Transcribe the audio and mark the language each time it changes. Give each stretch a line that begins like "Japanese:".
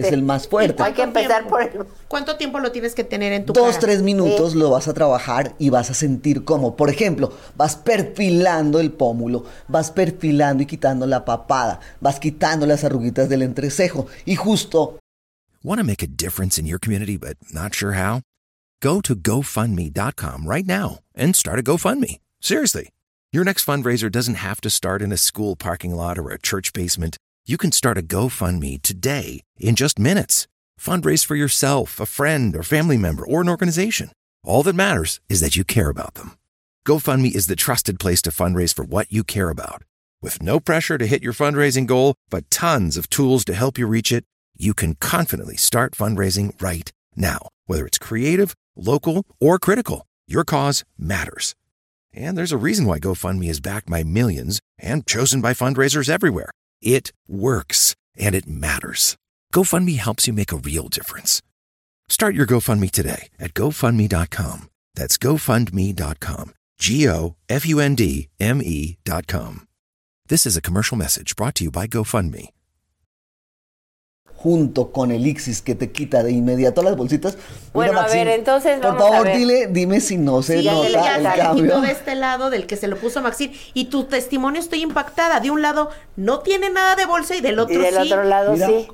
Spanish: Es el más fuerte. Hay que empezar por el... ¿Cuánto tiempo lo tienes que tener en tu cara? 2-3 minutos lo vas a trabajar y vas a sentir cómo. Por ejemplo, vas perfilando el pómulo, vas perfilando y quitando la papada, vas quitando las arruguitas del entrecejo y justo...
English: Want to make a difference in your community but not sure how? Go to GoFundMe.com right now and start a GoFundMe. Seriously, your next fundraiser doesn't have to start in a school parking lot or a church basement. You can start a GoFundMe today in just minutes. Fundraise for yourself, a friend, or family member, or an organization. All that matters is that you care about them. GoFundMe is the trusted place to fundraise for what you care about. With no pressure to hit your fundraising goal, but tons of tools to help you reach it, you can confidently start fundraising right now. Whether it's creative, local, or critical, your cause matters. And there's a reason why GoFundMe is backed by millions and chosen by fundraisers everywhere. It works, and it matters. GoFundMe helps you make a real difference. Start your GoFundMe today at GoFundMe.com. That's GoFundMe.com. GoFundMe.com. This is a commercial message brought to you by GoFundMe.
Spanish: Junto con Elixis, que te quita de inmediato las bolsitas. Bueno, mira, Maxine, a ver, entonces vamos a ver. Por favor, dime si no se nota el cambio. Sí, ya de este lado del que se lo puso Maxine. Y tu testimonio, estoy impactada. De un lado no tiene nada de bolsa y del otro sí. Y del otro lado sí.